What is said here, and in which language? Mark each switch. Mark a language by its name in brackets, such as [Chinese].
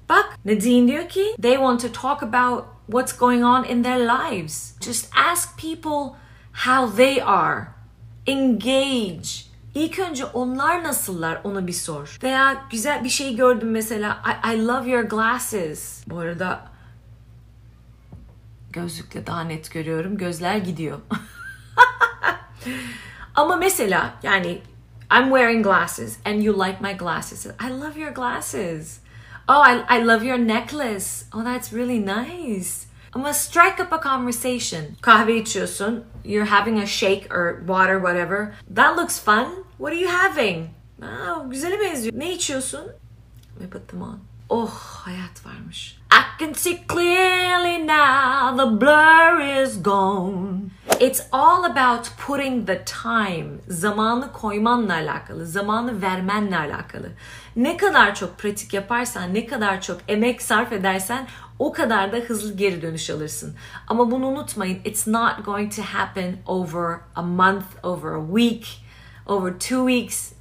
[Turkish] Bak, Nadine diyor ki, [English] they want to talk about what's going on in their lives. Just ask people how they are. Engage. [Turkish] İlk önce onlar nasıllar onu bir sor. Veya güzel bir şey gördüm mesela. [English] I love your glasses. [Turkish] Bu arada gözlükle daha net görüyorum. Gözler gidiyor. Ama mesela yani [English] I'm wearing glasses and you like my glasses. I love your glasses. Oh, I love your necklace. Oh, that's really nice. Ama strike up a conversation. [Turkish] Kahve içiyorsun. [English] You're having a shake or water, whatever. That looks fun. What are you having? [Turkish] Ah, güzel benziyor. Ne içiyorsun? [English] We put them on. [Turkish] Oh, hayat varmış. [English] I can see clearly now, the blur is gone. It's all about putting the time. [Turkish] Zamanı koymanla alakalı, zamanı vermenle alakalı. Ne kadar çok pratik yaparsan, ne kadar çok emek sarf edersen, o kadar da hızlı geri dönüş alırsın. Ama bunu unutmayın. [English] It's not going to happen over a month, over a week, over 2 weeks.